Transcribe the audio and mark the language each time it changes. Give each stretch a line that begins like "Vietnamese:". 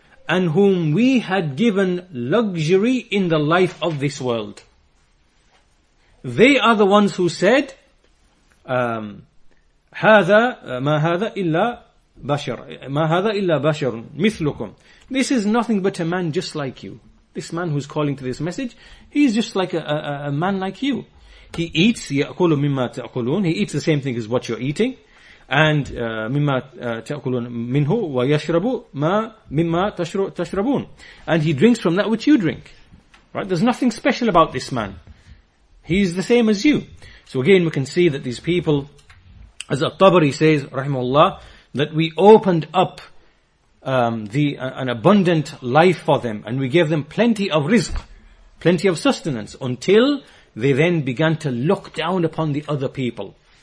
English: and whom we had given luxury in the life of this world. They are the ones who said,
Arabic: هذا ما هذا إلا بشر ما هذا إلا بشر مثلكم.
English: This is nothing but a man just like you. This man who's calling to this message, he's just like a man like you. He eats,
Arabic: يأكل مما تأكلون.
English: He eats the same thing as what you're eating.
Arabic: And مما تأكلون منه ويشرب ما مما تشربون.
English: And he drinks from that which you drink. Right? There's nothing special about this man. He's the same as you. So again, we can see that these people, as At-Tabari says, rahimahullah, that we opened up an abundant life for them, and we gave them plenty of rizq, plenty of sustenance, until they then began to look down upon the other people.